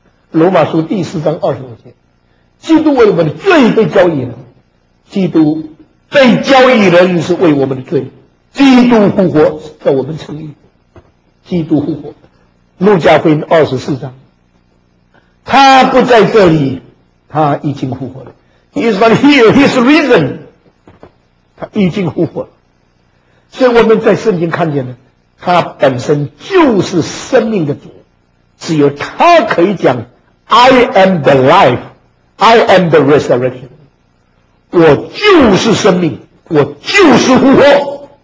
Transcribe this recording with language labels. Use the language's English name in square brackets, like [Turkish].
[Chinese] 罗马书第四章二十五节，基督为我们的罪被交易了，基督被交易了也是为我们的罪，基督复活叫我们称义，基督复活。路加福音二十四章，他不在这里，他已经复活了。 [English] He is not here, he is risen, [Chinese] 他已经复活了。所以我们在圣经看见呢，他本身就是生命的主，只有他可以讲 [English] I am the life, I am the resurrection, [Chinese] 我就是生命，我就是复活。